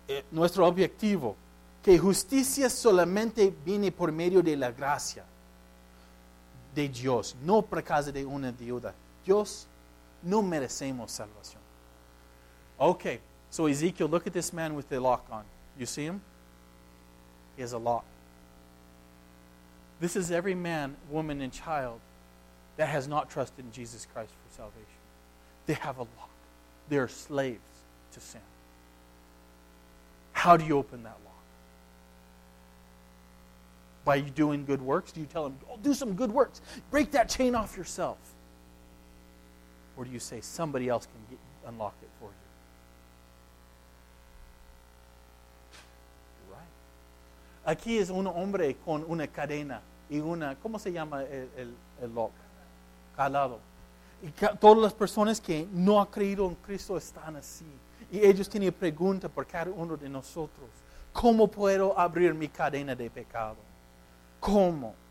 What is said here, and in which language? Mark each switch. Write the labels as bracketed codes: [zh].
[es] Nuestro objetivo, que justicia solamente viene por medio de la gracia de Dios, no por causa de una deuda. Dios, no merecemos salvación. [en] Okay, so Ezekiel, look at this man with the lock on. You see him? He has a lock. This is every man, woman, and child that has not trusted in Jesus Christ for salvation. They have a lock. They are slaves to sin. How do you open that lock? By doing good works? Do you tell them, oh, do some good works. Break that chain off yourself. Or do you say, somebody else can unlock it for you? [es] Aquí es un hombre con una cadena y una, ¿cómo se llama el lock? Calado. Y todas las personas que no han creído en Cristo están así. Y ellos tienen preguntas por cada uno de nosotros. ¿Cómo puedo abrir mi cadena de pecado? ¿Cómo?